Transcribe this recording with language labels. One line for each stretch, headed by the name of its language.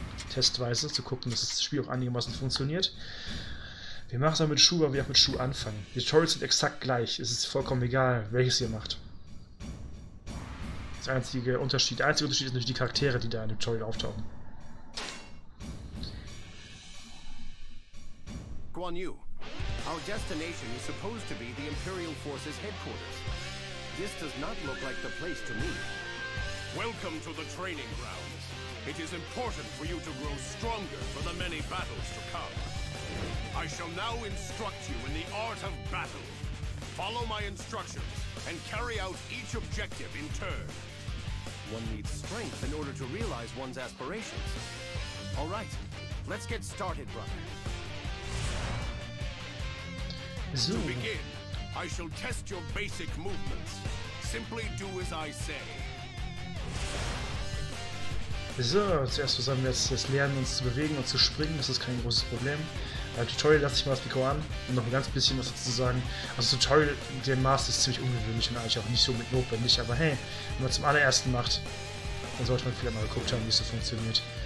German: Testweise, zu gucken, dass das Spiel auch einigermaßen funktioniert. Wir machen es aber mit Schuh, weil wir auch mit Schuh anfangen. Die Tutorials sind exakt gleich, es ist vollkommen egal, welches ihr macht. Der einzige Unterschied ist natürlich die Charaktere, die da in dem Tutorial auftauchen.
English: Guan Yu, our destination is supposed to be the Imperial Forces headquarters. This does not look like the place to me. Welcome to the training grounds. It is important for you to grow stronger for the many battles to come. I shall now instruct you in the art of battle. Follow my instructions and carry out each objective in turn. One needs strength in order to realize one's aspirations. All right, let's get started, brother. To begin, I shall test your basic movements. Simply do as I say.
German: So, zuerst versuchen wir jetzt lernen, uns zu bewegen und zu springen. Das ist kein großes Problem. Tutorial lasse ich mal das Mikro an und noch ein ganz bisschen was dazu sagen. Also Tutorial, der Master ist ziemlich ungewöhnlich und eigentlich auch nicht so mit notwendig, aber hey, wenn man zum allerersten macht, dann sollte man vielleicht mal geguckt haben, wie es so funktioniert.